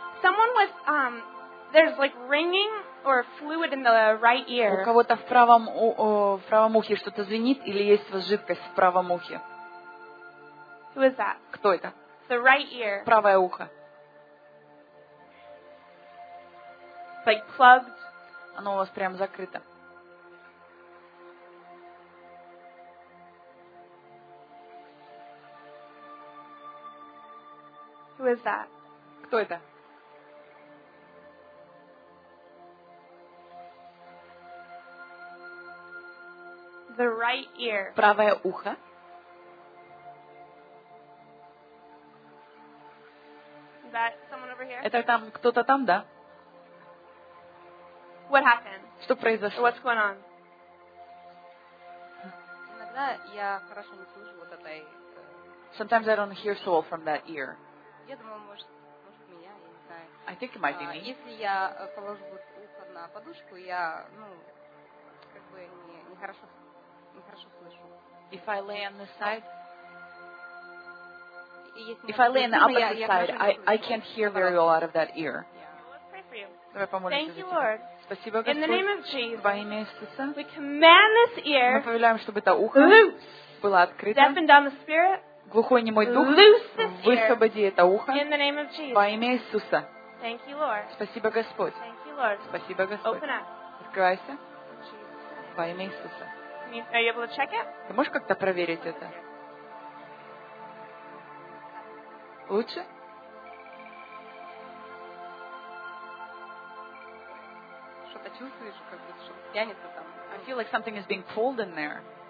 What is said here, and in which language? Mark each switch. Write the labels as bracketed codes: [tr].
[en] Someone with there's like ringing or fluid in the right ear. [ru] У кого-то в правом ухе что-то звенит или есть жидкость в правом ухе. [en] Who is that? [ru] Кто это? [en] The right ear. [ru] Правое ухо. [en] Like plugged. [ru] Оно у вас прям закрыто. [en] Who is that? [ru] Кто это? [en] the right ear. [ru] Правое ухо. [en] Is that someone over here? [ru] Это там кто-то там, да? [en] What happened? [ru] Что произошло? [en] What's going on? [ru] Иногда я хорошо не слышу вот этой. [en] Sometimes I don't hear so well from that ear. [ru] Я думаю, может меня, я не знаю. [en] I think it might be me. [ru] Если я положу вот ухо на подушку, я, ну, как бы не хорошо слышу. [en] If I lay on this side. If I lay on the opposite side, I can't hear very well out of that ear. Yeah. Well, let's pray for you. Thank you, Lord. In the name of Jesus, we command this ear loose, deaf and dumb spirit, loose this ear in the name of Jesus. Thank you, Lord. Thank you, Lord. Open up. [ru] Открывайся. Во имя Иисуса. [en] Are you able to check it? [ru] Ты можешь как-то проверить это? Лучше? Что-то чувствуешь, как будто что-то тянется там. [en] I feel like something is being pulled in there.